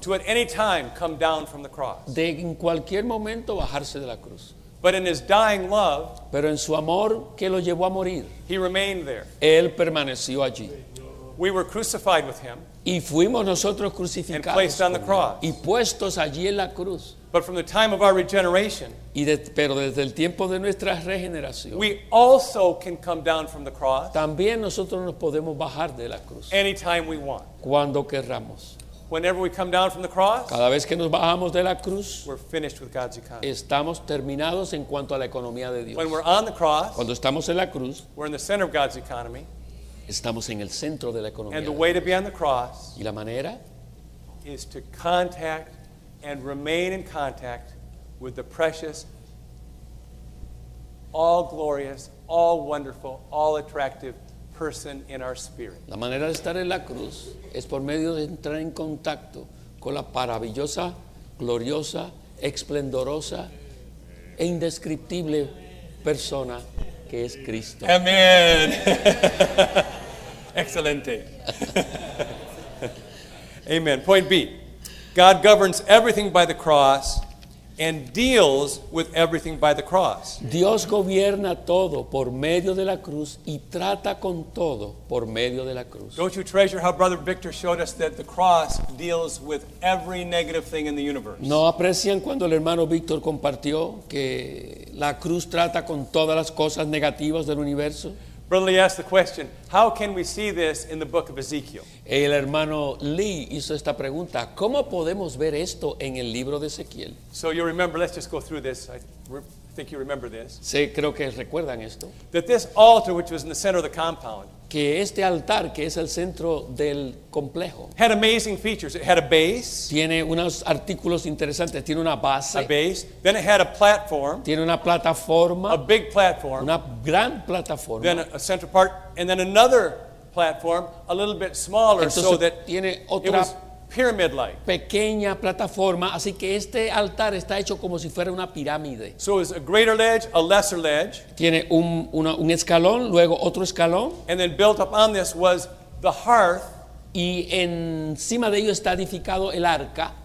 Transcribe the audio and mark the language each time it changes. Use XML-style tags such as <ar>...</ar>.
<en>to at any time come down from the cross.</en> <es>De en cualquier momento bajarse de la cruz.</es> <en>But in his dying love,</en> <es>pero en su amor que lo llevó a morir,</es> <en>he remained there.</en> <es>Él permaneció allí.</es> <en>We were crucified with him.</en> <es>Y fuimos nosotros crucificados.</es> <en>And placed on the cross.</en> <es>Y puestos allí en la cruz.</es> <en>But from the time of our regeneration,</en> <es>pero desde el tiempo de nuestra regeneración,</es> <en>we also can come down from the cross.</en> <es>También nosotros nos podemos bajar de la cruz.</es> <en>Anytime we want.</en> <es>Cuando querramos.</es> <en>Whenever we come down from the cross,</en> <es>cada vez que nos bajamos de la cruz,</es> <en>we're finished with God's economy.</en> <es>Estamos terminados en cuanto a la economía de Dios.</es> <en>When we're on the cross,</en> <es>cuando estamos en la cruz,</es> <en>we're in the center of God's economy.</en> <es>Estamos en el centro de la economía.</es> <en>And the way to be on the cross,</en> <es>y la manera,</es> <en>is to contact and remain in contact with the precious, all glorious, all wonderful, all attractive person in our spirit.</en> <es>La manera de estar en la cruz es por medio de entrar en contacto con la maravillosa, gloriosa, esplendorosa e indescriptible persona que es Cristo. Amen. Excelente.</es> <en>Amen. Point B. God governs everything by the cross and deals with everything by the cross.</en> <es>Dios gobierna todo por medio de la cruz y trata con todo por medio de la cruz.</es> <en>Don't you treasure how Brother Victor showed us that the cross deals with every negative thing in the universe?</en> <es>¿No aprecian cuando el hermano Victor compartió que la cruz trata con todas las cosas negativas del universo?</es> <en>Brother Lee asked the question, how can we see this in the book of Ezekiel?</en> <es>El hermano Lee hizo esta pregunta, ¿cómo podemos ver esto en el libro de Ezequiel?</es> <en>So you remember, let's just go through this. I think you remember this.</en> <es>Sí, creo que recuerdan esto.</es> <en>That this altar, which was in the center of the compound,</en> <es>que este altar, que es el centro del complejo,</es> <en>had amazing features. It had a base.</en> <es>Tiene unos artículos interesantes. Tiene una base.</es> <en>A base. Then it had a platform.</en> <es>Tiene una plataforma.</es> <en>A big platform.</en> <es>Una gran plataforma.</es> <en>Then a central part. And then another platform, a little bit smaller.</en> <es>Entonces,</es> <en>so that</en> <es>tiene otra</es> <en>pyramid-like.</en> <es>Pequeña plataforma. Así que este altar está hecho como si fuera una pirámide.</es> <en>So it's a greater ledge, a lesser ledge.</en> <es>Tiene un escalón, luego otro escalón.</es> <en>And then built up on this was the hearth.</en> <es>Y encima de ello está edificado el arca.</es>